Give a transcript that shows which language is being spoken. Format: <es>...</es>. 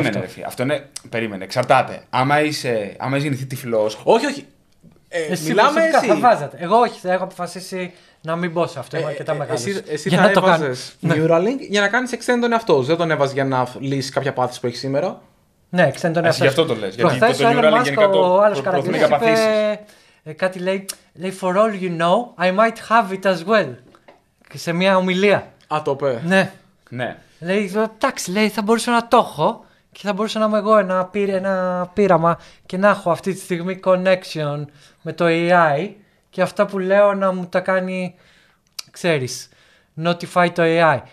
<el>Περίμενε, αυτό. Αυτό είναι. Περίμενε. Εξαρτάται. Άμα είσαι γεννηθεί τυφλός. Όχι, όχι. Εσύ μιλάμε εσύ. Θα βάζατε. Εγώ όχι. Θα έχω αποφασίσει να μην μπω σε αυτό. Είμαι αρκετά μεγάλος. Εσύ για θα έβαζες Neuralink για να κάνεις extend τον εαυτό. Δεν τον έβαζες για να λύσεις κάποια πάθηση που έχεις σήμερα. Ναι, extend τον εαυτό. Γι' αυτό το λες. Προχθές ο Elon Musk, ο άλλος καραγγελής, είπε κάτι, λέει,</el> <en>for all you know, I might have it as well.</en> <el>Και σε μια ομιλία. Α, το πε. Ναι. Ναι. Λέει, εντάξει, λέει, θα μπορούσα να το έχω και θα μπορούσα να είμαι εγώ ένα πείραμα και να έχω αυτή τη στιγμή connection με το AI και αυτά που λέω να μου τα κάνει, ξέρεις, notify το AI.</el>